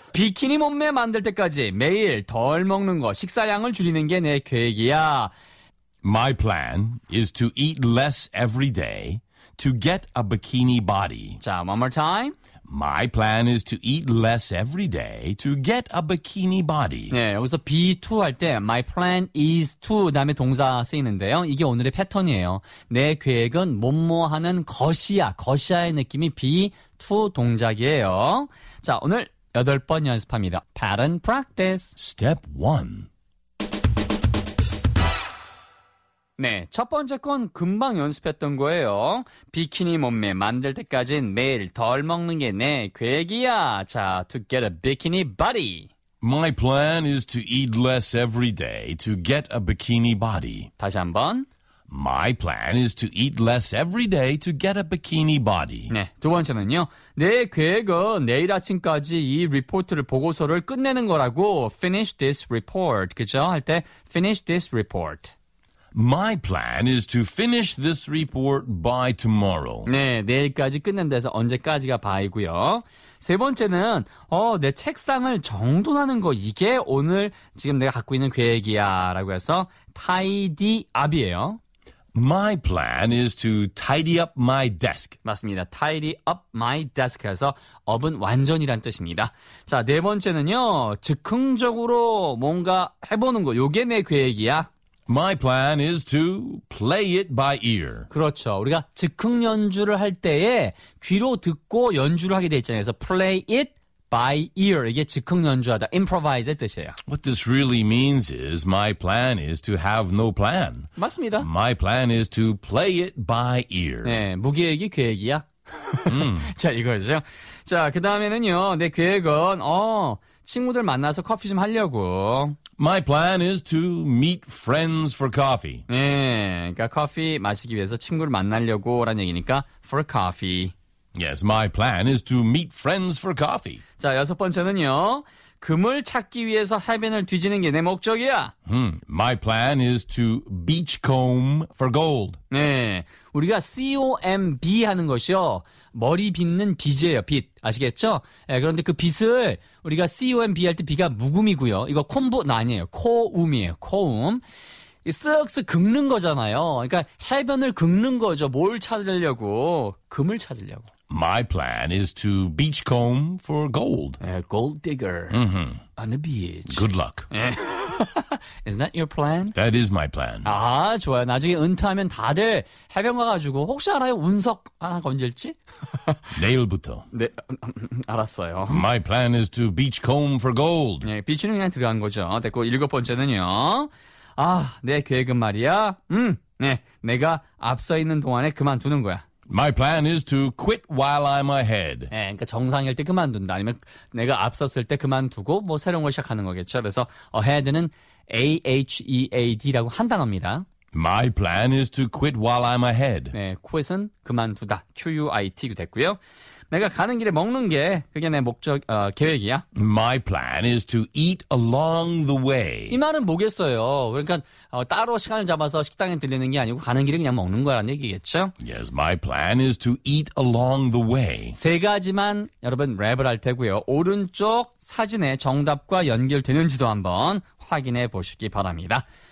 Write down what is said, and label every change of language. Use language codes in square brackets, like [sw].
[ko] 비키니 몸매 만들 때까지 매일 덜 먹는 거, 식사량을 줄이는 게 내 계획이야. [en] My plan is to eat less every day to get a bikini body. 자, one more time. My plan is to eat less every day to get a bikini body. [ko] 네, 여기서 be to 할 때 [en] my plan is to [ko] 다음에 동사 쓰이는데요. 이게 오늘의 패턴이에요. 내 계획은 뭐뭐하는 것이야. 것이야의 느낌이 be to 동작이에요. 자, 오늘 8번 연습합니다. [en] Pattern practice. Step 1. [ko] 네, 첫 번째 건 금방 연습했던 거예요. 비키니 몸매 만들 때까지는 매일 덜 먹는 게 내 계획이야. [en] 자, to get a bikini body. My plan is to eat less every day to get a bikini body. [ko] 다시 한번. [en] My plan is to eat less every day to get a bikini body. [ko] 네, 두 번째는요. 내 계획은 내일 아침까지 이 리포트를 보고서를 끝내는 거라고. [en] Finish this report. 그죠? 할 때 finish this report. My plan is to finish this report by tomorrow. [ko] 네, 내일까지 끝낸다 해서 언제까지가 by고요. 세 번째는 내 책상을 정돈하는 거 이게 오늘 지금 내가 갖고 있는 계획이야 라고 해서 tidy up이에요. [en] My plan is to tidy up my desk. [ko] 맞습니다. [en] Tidy up my desk [ko] 해서 up은 완전이란 뜻입니다. 자, 네 번째는요. 즉흥적으로 뭔가 해보는 거 이게 내 계획이야. [en] My plan is to play it by ear. [ko] 그렇죠. 우리가 즉흥 연주를 할 때에 귀로 듣고 연주를 하게 돼 있잖아요. [en] 그래서 play it by ear. [ko] 이게 즉흥 연주하다, improvise의 뜻이에요. [en] What this really means is my plan is to have no plan. [ko] 맞습니다. [en] My plan is to play it by ear. [ko] 네, 무계획이 계획이야. 자, 이거죠. 자, 그 다음에는요. 내 계획은 친구들 만나서 커피 좀 하려고. [en] My plan is to meet friends for coffee. [ko] 네, 그러니까 커피 마시기 위해서 친구를 만나려고라는 얘기니까 [en] for coffee. Yes, my plan is to meet friends for coffee. [ko] 자, 여섯 번째는요. 금을 찾기 위해서 해변을 뒤지는 게 내 목적이야. [en] My plan is to beachcomb for gold. [ko] 네, 우리가 COMB 하는 것이요. 머리 빗는 빗이에요, 빗. 아시겠죠? 네, 그런데 그 빗을 우리가 COMB 할 때 비가 무금이고요. 이거 콤보, 아니에요. 코움이에요, 코움. 쓱쓱 긁는 거잖아요. 그러니까 해변을 긁는 거죠. 뭘 찾으려고? 금을 찾으려고. [en] My plan is to beachcomb for gold. Yeah, gold digger on the beach. Good luck. Isn't that your plan? That is my plan. [ko] 아, 좋아요. 나중에 은퇴하면 다들 해변 가가지고 혹시 알아요? 운석 하나 건질지? 내일부터. 네, 알았어요. [en] My plan is to beachcomb for gold. [ko] 네, 비추는 그냥 들어간 거죠. 됐고, 일곱 번째는요. 아, 내 계획은 말이야. 네, 내가 앞서 있는 동안에 그만두는 거야. [en] My plan is to quit while I'm ahead. [ko] 네, 그러니까 정상일 때 그만둔다. 아니면 내가 앞섰을 때 그만두고 뭐 새로운 걸 시작하는 거겠죠. 그래서 ahead는 A-H-E-A-D라고 한 단어입니다. [en] My plan is to quit while I'm ahead. [ko] 네, quit은 그만두다. Q-U-I-T가 됐고요. 내가 가는 길에 먹는 게 그게 내 목적 계획이야. [en] My plan is to eat along the way. [ko] 이 말은 뭐겠어요? 그러니까 따로 시간을 잡아서 식당에 들리는 게 아니고 가는 길에 그냥 먹는 거라는 얘기겠죠? [en] Yes, my plan is to eat along the way. [ko] 세 가지만 여러분 랩을 할 테고요. 오른쪽 사진에 정답과 연결되는지도 한번 확인해 보시기 바랍니다.